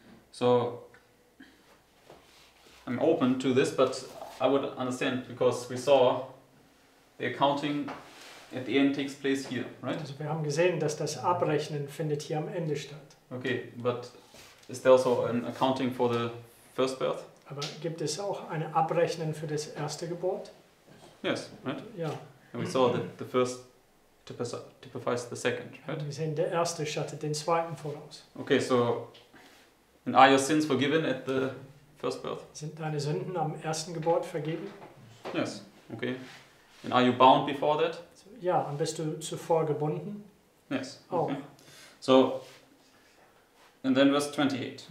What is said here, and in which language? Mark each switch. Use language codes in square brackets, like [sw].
[en] So, I'm open to this, but I would understand, because we saw the accounting at the end takes place here, right? [de] Also wir haben gesehen, dass das Abrechnen findet hier am Ende statt. [en] Okay, but is there also an accounting for the first birth? [de] Aber gibt es auch eine Abrechnung für das erste Geburt? [en] Yes, right? [de] Ja. [en] And we saw that the first typifies the second, right? [de] Wir sehen, der erste schattet den zweiten voraus. [en] Okay, so, and are your sins forgiven at the first birth? [de] Sind deine Sünden am ersten Geburt vergeben? [en] Yes, okay. And are you bound before that? [de] Ja, und bist du zuvor gebunden? [en] Yes, okay. [de] Auch. [en] So, and then verse 28.